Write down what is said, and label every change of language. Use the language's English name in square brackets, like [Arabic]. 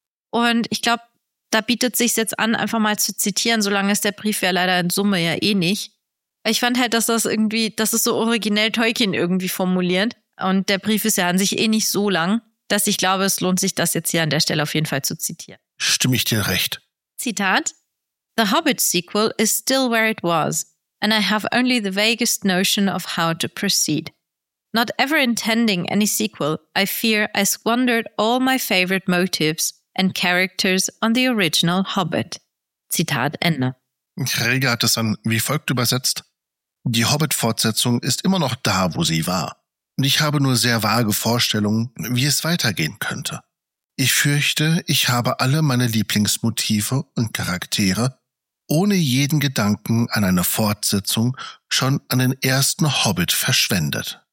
[German] Und ich glaube, da bietet sich's jetzt an, einfach mal zu zitieren, solange ist der Brief ja leider in Summe ja eh nicht. Ich fand halt, dass das irgendwie, dass es so originell Tolkien irgendwie formuliert. Und der Brief ist ja an sich eh nicht so lang, dass ich glaube, es lohnt sich, das jetzt hier an der Stelle auf jeden Fall zu zitieren. Stimme ich dir recht. [English] Zitat: The Hobbit sequel is still where it was, and I have only the vaguest notion of how to proceed. Not ever intending any sequel, I fear I squandered all my favorite motives and characters on the original Hobbit. [German] Zitat Ende. Rege hat es dann wie folgt übersetzt: Die Hobbit-Fortsetzung ist immer noch da, wo sie war. Und ich habe nur sehr vage Vorstellungen, wie es weitergehen könnte. Ich fürchte, ich habe alle meine Lieblingsmotive und Charaktere ohne jeden Gedanken an eine Fortsetzung schon an den ersten Hobbit verschwendet.